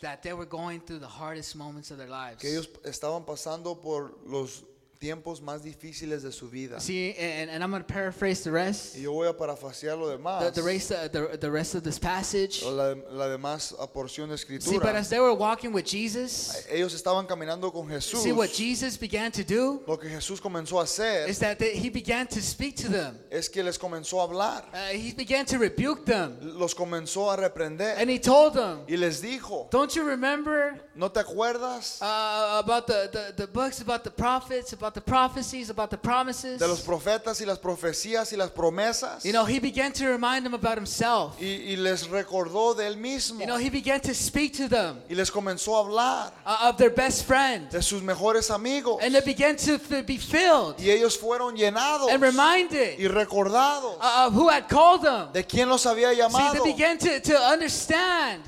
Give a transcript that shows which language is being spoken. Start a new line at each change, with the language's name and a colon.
English: That they were going through the hardest moments of their lives.
Spanish: Que ellos estaban pasando por los tiempos más difíciles de su vida.
English: See, and I'm going to paraphrase the rest.
Spanish: Y yo voy a parafrasear lo demás.
English: The rest of this passage.
Spanish: La demás porción de escritura.
English: See, but as they were walking with Jesus.
Spanish: Ellos estaban caminando con Jesús.
English: See, what Jesus began to do.
Spanish: Lo que Jesús comenzó a hacer.
English: Is that he began to speak to them.
Spanish: Es que les comenzó a hablar.
English: He began to rebuke them.
Spanish: Los comenzó a reprender.
English: And he told them.
Spanish: Y les dijo.
English: Don't you remember?
Spanish: ¿No te acuerdas?
English: About the books, about the prophets, about the prophecies, about the promises.
Spanish: De los profetas y las profecías y las promesas.
English: You know, he began to remind them about himself.
Spanish: Y les recordó de él mismo.
English: You know, he began to speak to them.
Spanish: Y les comenzó a hablar.
English: Of their best friend.
Spanish: De sus mejores amigos.
English: And they began to be filled.
Spanish: Y ellos fueron llenados.
English: And reminded.
Spanish: Y recordados.
English: Of who had called them.
Spanish: De quién los había llamado.
English: See, they began to understand.